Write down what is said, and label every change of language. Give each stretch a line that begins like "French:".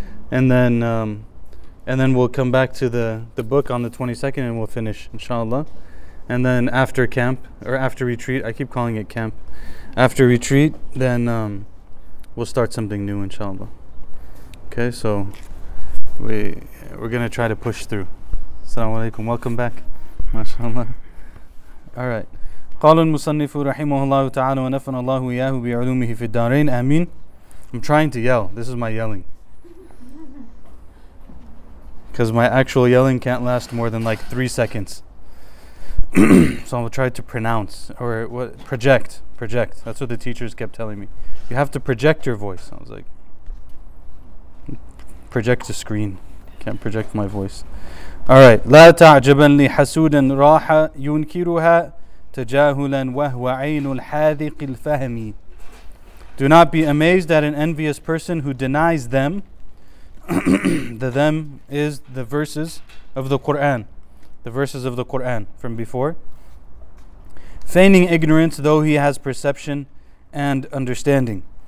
English: And then we'll come back to the book on the 22nd and we'll finish, inshallah. And then after camp, or after retreat, I keep calling it camp. After retreat, then we'll start something new, inshallah. Okay, so we're going to try to push through. Assalamu alaikum. Welcome back. MashaAllah. All right.
Arabic: قال المصنف رحمه الله تعالى ونفعنا الله إياه بعلومه في الدارين آمين.
English: I'm trying to yell. This is my yelling. Because my actual yelling can't last more than like 3 seconds. So I'll try to pronounce or what, project. Project. That's what the teachers kept telling me. You have to project your voice. I was like, project a screen. Can't project my voice. All right.
Arabic: لا تعجبن لحسود راحة ينكرها تجاهلا وهو عين الحاذق الفهم.
English: Do not be amazed at an envious person who denies them. The them is the verses of the Quran. The verses of the Quran from before. Feigning ignorance though he has perception and understanding.